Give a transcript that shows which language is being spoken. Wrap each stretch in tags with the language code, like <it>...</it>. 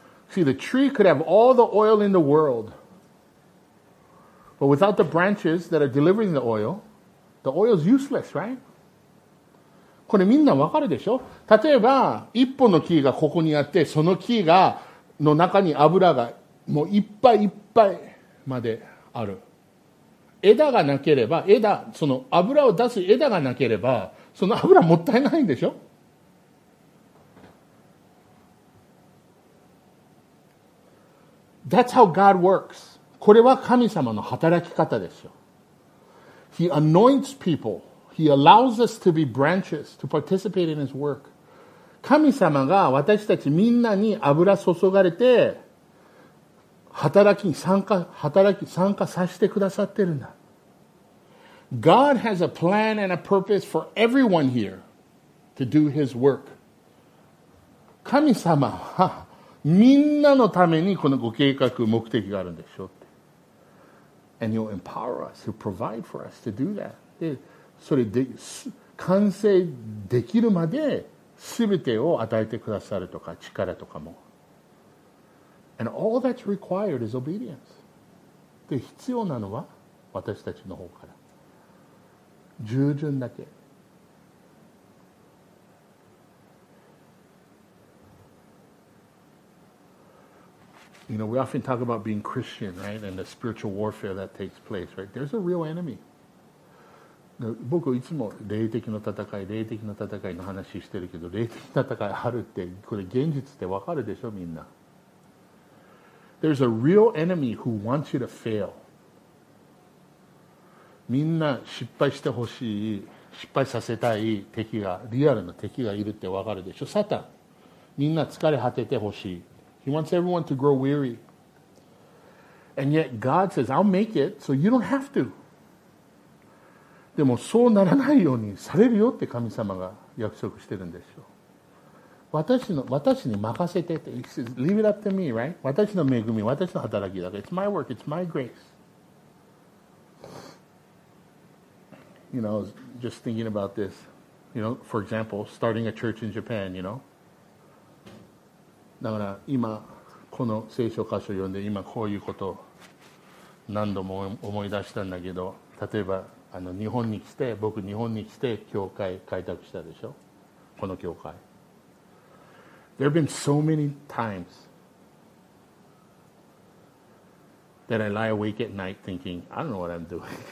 <en>See, the tree could have all the oil in the world but without the branches that are delivering the oil the oil is useless, right?</en> <ja>これみんな分かるでしょ。例えば一本の木がここにあってその木がの中に油がもういっぱいいっぱいまである。枝がなければ、枝、その油を出す枝がなければ、その油もったいないんでしょ？</ja> <en>That's how God works.</en> <ja>これは神様の働き方ですよ。</ja> <en>He anoints people. He allows us to be branches, to participate in His work.</en> <ja>神様が私たちみんなに油注がれて働きに参加させてくださってるんだ。</ja> <en>God has a plan and a purpose for everyone here to do His work.</en> <ja>神様はみんなのためにこのご計画目的があるんでしょうって。</ja> <en>And He'll empower us, He'll provide for us to do that.</en> <ja>で、それで完成できるまで全てを与えてくださるとか力とかも。</ja> <en>And all that's required is obedience.</en> <ja>で、必要なのは私たちの方から。従順だけ。</ja> <en>You know, we often talk about being Christian, right? And the spiritual warfare that takes place, right? There's a real enemy.</en> <ja>僕いつも霊的な戦いの話してるけど霊的な戦いあるってこれ現実ってわかるでしょみんな。</ja> <en>There's a real enemy who wants you to fail.</en> <ja>みんな失敗してほしい失敗させたい敵がリアルな敵がいるってわかるでしょ。サタンみんな疲れ果ててほしい。</ja> <en>He wants everyone to grow weary. And yet God says I'll make it so you don't have to.</en> <ja>でもそうならないようにされるよって神様が約束してるんでしょう。私に任せてって。</ja> <en>He says, leave it up to me, right?</en> <ja>私の恵み、私の働きだから。</ja> <en>It's my work, it's my grace. You know, just thinking about this. You know, for example, starting a church in Japan, you know?</en> <ja>だから今、この聖書箇所を読んで、今こういうことを何度も思い出したんだけど、例えば、あの日本に来て僕日本に来て教会開拓したでしょこの教会。</ja> <en>There have been so many times that I lie awake at night thinking I don't know what I'm doing.</en>